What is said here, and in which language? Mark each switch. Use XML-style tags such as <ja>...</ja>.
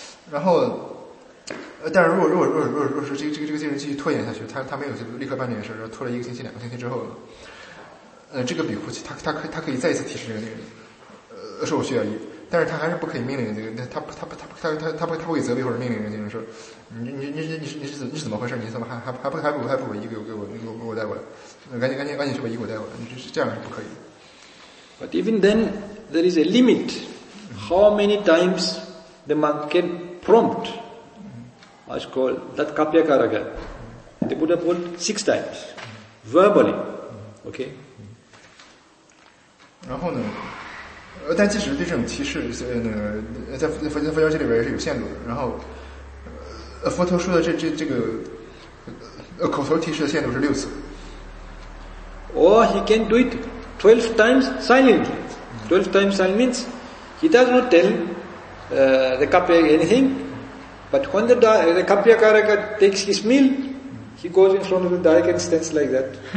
<zh>然后，但是如果是这个敬人继续拖延下去，他没有就立刻办这件事，然后拖了一个星期、两个星期之后，这个比库他可以再一次提示这个敬人，说我需要衣，但是他还是不可以命令这个，他会责备或者命令这个敬人说，你是怎么回事？你怎么还不把衣给我带过来？赶紧去把衣给我带过来，你这样是不可以的。</zh> <en>But even then, there is a limit how many times the monk can prompt. It's called that kapyakaraka. The Buddha put 6 times, verbally. Okay?</en> <zh>然后呢，但即使对这种提示，在佛教界里边也是有限度的。然后，佛陀说的这个口头提示的限度是6次。</zh> <en>Or he can do it 12 times silently. 12 times silent means he does not tell the kapya anything, but when the kapya karaka takes his meal, he goes in front of the dayaka and stands like that.</en>